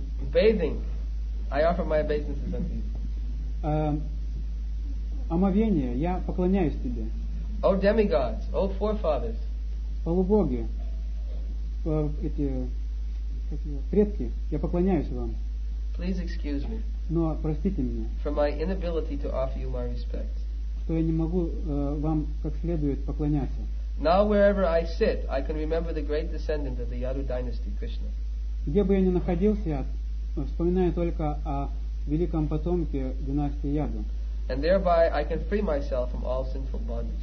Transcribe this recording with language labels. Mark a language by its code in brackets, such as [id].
[en] Bathing, I offer my obeisances unto you. [ru] Омовение, я поклоняюсь тебе. [en] O demigods, O forefathers. [ru] Полубоги, эти предки, я поклоняюсь вам. [en] Please excuse me. [ru] Но простите меня. [en] For my inability to offer you my respect. [ru] Что я не могу вам как следует поклоняться. [en] Now wherever I sit, I can remember the great descendant of the Yadu dynasty, Krishna. [ru] Где бы я ни находился, я вспоминаю только о великом потомке династии Яду. [en] And thereby I can free myself from all sinful bondage.